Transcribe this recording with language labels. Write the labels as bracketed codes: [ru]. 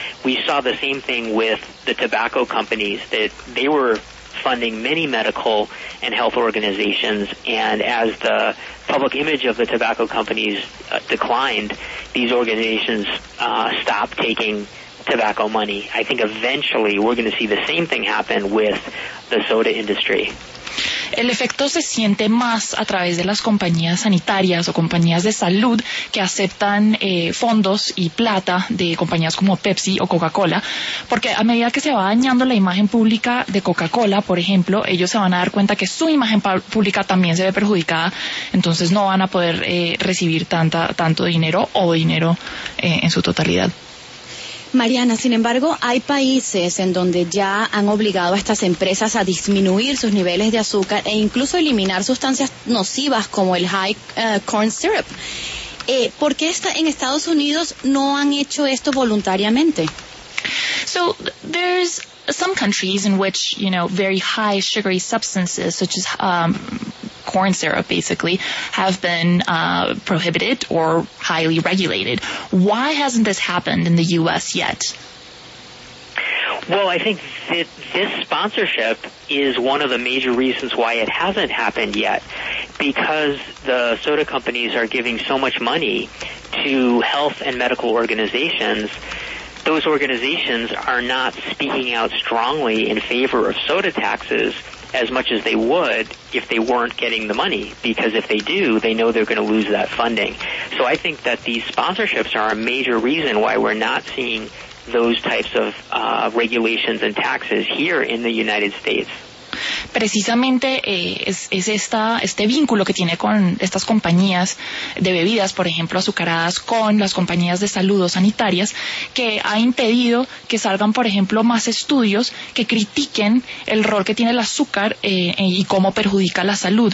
[en] We saw the same thing with the tobacco companies, that they were funding many medical and health organizations, and as the public image of the tobacco companies declined, these organizations stopped taking tobacco money. I think eventually we're going to see the same thing happen with the soda industry. [es] El efecto se siente más a través de las compañías sanitarias o compañías de salud que aceptan fondos y plata de compañías como Pepsi o Coca-Cola, porque a medida que se va dañando la imagen pública de Coca-Cola, por ejemplo, ellos se van a dar cuenta que su imagen pública también se ve perjudicada, entonces no van a poder recibir tanto dinero o dinero en su totalidad. Mariana, sin embargo, hay países en donde ya han obligado a estas empresas a disminuir sus niveles de azúcar e incluso eliminar sustancias nocivas como el high corn syrup. ¿Por qué en Estados Unidos no han hecho esto voluntariamente? [en] So, there's some countries in which, you know, very high sugary substances, such as corn syrup, basically, have been prohibited or highly regulated. Why hasn't this happened in the U.S. yet? Well, I think that this sponsorship is one of the major reasons why it hasn't happened yet, because the soda companies are giving so much money to health and medical organizations. Those organizations are not speaking out strongly in favor of soda taxes as much as they would if they weren't getting the money, because if they do, they know they're going to lose that funding. So I think that these sponsorships are a major reason why we're not seeing those types of regulations and taxes here in the United States. [es] Precisamente es este vínculo que tiene con estas compañías de bebidas, por ejemplo, azucaradas, con las compañías de salud o sanitarias, que ha impedido que salgan, por ejemplo, más estudios que critiquen el rol que tiene el azúcar y cómo perjudica la salud.